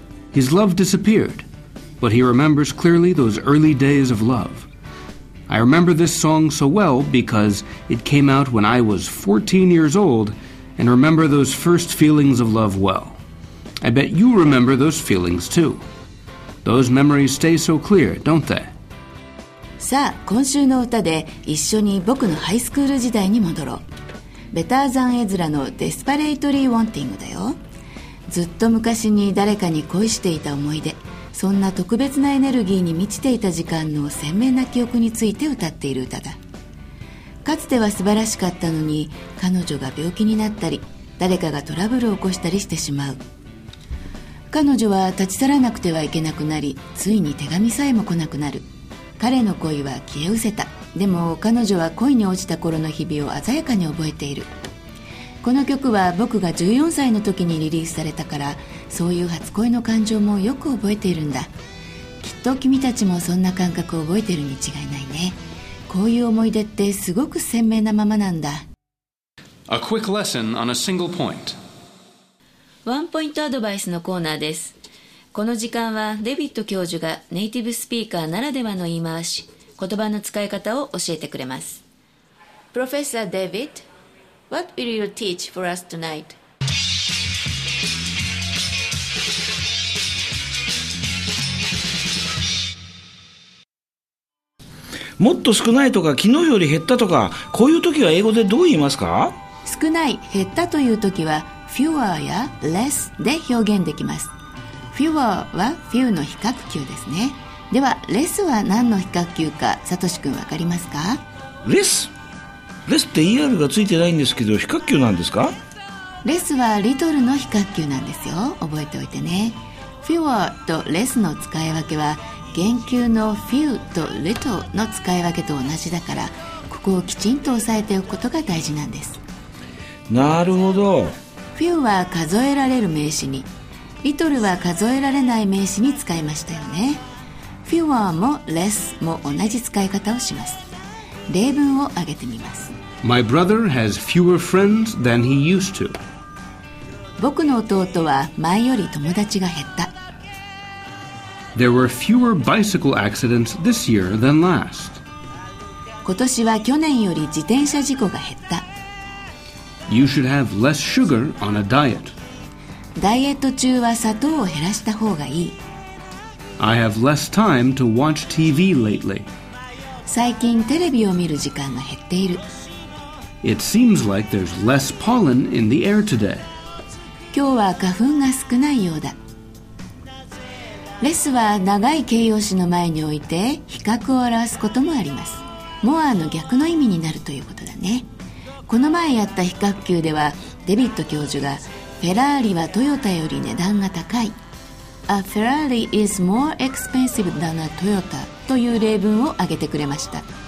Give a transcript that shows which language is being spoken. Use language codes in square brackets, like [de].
[en] His love disappeared, but he remembers clearly those early days of love. I remember this song so well because it came out when I was 14 years old,And remember those first feelings of love well. I bet you remember those feelings too. Those memories stay so clear, don't they? [ja] さあ、今週の歌で一緒に僕のハイスクール時代に戻ろう。ベターザンエズラのデスパレイトリーウォンティングだよ。ずっと昔に誰かに恋していた思い出、そんな特別なエネルギーに満ちていた時間の鮮明な記憶について歌っている歌だ。かつては素晴らしかったのに、彼女が病気になったり、誰かがトラブルを起こしたりしてしまう。彼女は立ち去らなくてはいけなくなり、ついに手紙さえも来なくなる。彼の恋は消え失せた。でも彼女は恋に落ちた頃の日々を鮮やかに覚えている。この曲は僕が14歳の時にリリースされたから、そういう初恋の感情もよく覚えているんだ。きっと君たちもそんな感覚を覚えているに違いないね。こういう思い出ってすごく鮮明なままなんだ。 [en] A quick lesson on a single point. [ja] ワンポイントアドバイスのコーナーです。この時間はデビッド教授がネイティブスピーカーならではの言い回し、言葉の使い方を教えてくれます。 [en] Professor David, what will you teach for us tonight? [ja] もっと少ないとか昨日より減ったとか、こういう時は英語でどう言いますか？少ない、減ったという時は fewer や less で表現できます。 fewer は few の比較級ですね。では less は何の比較級か、サトシ君わかりますか？ less って er がついてないんですけど、比較級なんですか？ less は little の比較級なんですよ。覚えておいてね。 fewer と less の使い分けは言及の few と little の使い分けと同じだから、ここをきちんと押さえておくことが大事なんです。なるほど。 few は数えられる名詞に、 little は数えられない名詞に使いましたよね。 fewer も less も同じ使い方をします。例文を挙げてみます。 [en] My brother has fewer friends than he used to. [ja] 僕の弟は前より友達が減った。 [en] There were fewer bicycle accidents this year than last. [ja] 今年は去年より自転車事故が減った。 [en] You should have less sugar on a diet. [ja] ダイエット中は砂糖を減らした方がいい。 [en] I have less time to watch TV lately. [ja] 最近テレビを見る時間が減っている。 [en] It seems like there's less pollen in the air today. [ja] 今日は花粉が少ないようだ。レスは長い形容詞の前に置いて比較を表すこともあります。モアの逆の意味になるということだね。この前やった比較級ではデビット教授がフェラーリはトヨタより値段が高い、 [en] A Ferrari is more expensive than a Toyota [ja] という例文を挙げてくれました。